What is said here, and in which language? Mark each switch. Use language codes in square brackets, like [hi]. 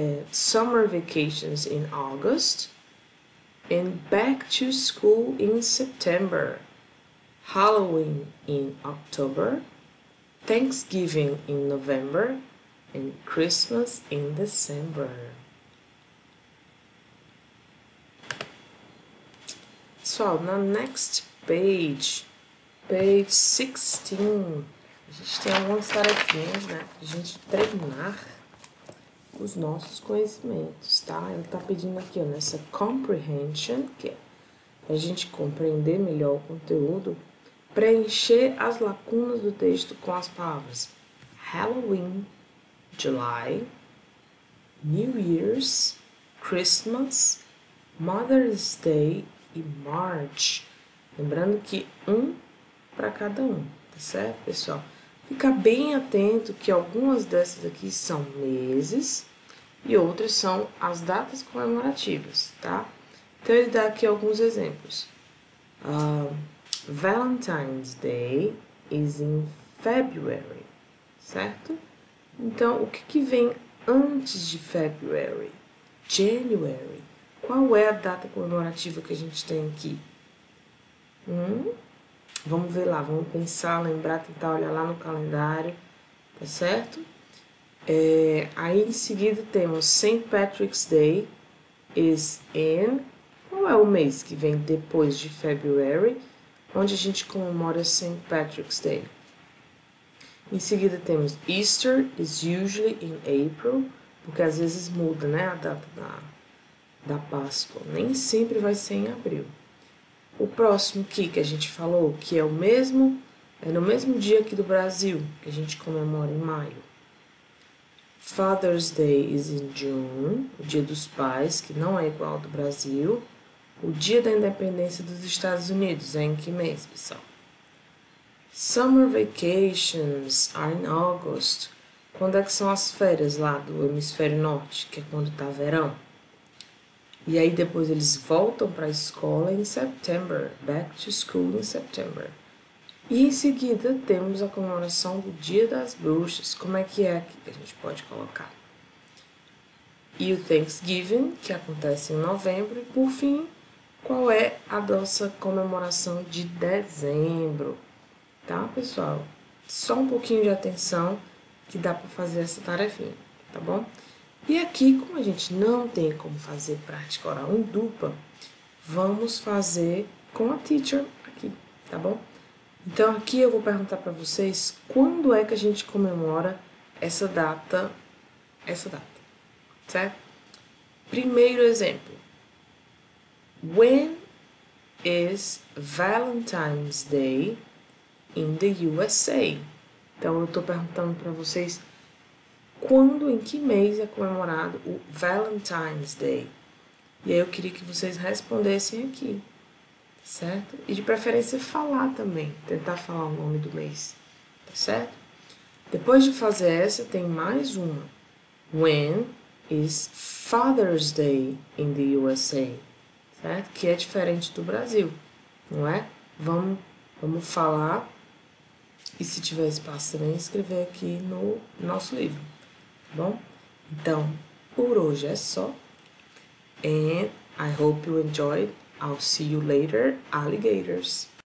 [en] Summer vacations in August. And back to school in September. Halloween in October, Thanksgiving in November, and Christmas in December. So, [pt] na [en] next page, page 16, [pt] a gente tem algumas tarefinhas, né, pra gente treinar os nossos conhecimentos, tá? Ele tá pedindo aqui, ó, nessa comprehension, que é a gente compreender melhor o conteúdo, preencher as lacunas do texto com as palavras Halloween, July, New Year's, Christmas, Mother's Day e March. Lembrando que um para cada um, tá certo, pessoal? Fica bem atento que algumas dessas aqui são meses e outras são as datas comemorativas, tá? Então, ele dá aqui alguns exemplos. [en] Valentine's Day is in February, [pt] certo? Então, o que, que vem antes de February? January. Qual é a data comemorativa que a gente tem aqui? Vamos ver lá, vamos pensar, lembrar, tentar olhar lá no calendário, tá certo? É, aí, em seguida, temos [en] St. Patrick's Day is in... [pt] Qual é o mês que vem depois de February, onde a gente comemora St. Patrick's Day? Em seguida temos [en] Easter is usually in April, [pt] porque às vezes muda, né, a data da Páscoa. Nem sempre vai ser em abril. O próximo que a gente falou, que é o mesmo, é no mesmo dia aqui do Brasil, que a gente comemora em maio. [en] Father's Day is in June, [pt] o dia dos pais, que não é igual ao do Brasil. O dia da independência dos Estados Unidos é em que mês, pessoal? [en] Summer vacations are in August. [pt] Quando é que são as férias lá do hemisfério norte, que é quando tá verão? E aí depois eles voltam para a escola em September, [en] back to school in September. [pt] E em seguida temos a comemoração do dia das bruxas. Como é que é aqui que a gente pode colocar? E o Thanksgiving, que acontece em novembro, e por fim... Qual é a nossa comemoração de dezembro? Tá, pessoal? Só um pouquinho de atenção que dá para fazer essa tarefinha, tá bom? E aqui, como a gente não tem como fazer prática oral em dupla, vamos fazer com a teacher aqui, tá bom? Então, aqui eu vou perguntar para vocês quando é que a gente comemora essa data, certo? Primeiro exemplo. [en] When is Valentine's Day in the USA? [pt] Então, eu estou perguntando para vocês quando, em que mês é comemorado o Valentine's Day? E aí, eu queria que vocês respondessem aqui, certo? E, de preferência, falar também, tentar falar o nome do mês, tá certo? Depois de fazer essa, tem mais uma. [en] When is Father's Day in the USA? [pt] É, que é diferente do Brasil, não é? Vamos falar, e se tiver espaço também, escrever aqui no nosso livro, tá bom? Então, por hoje é só. [en] And I hope you enjoyed. I'll see you later, alligators.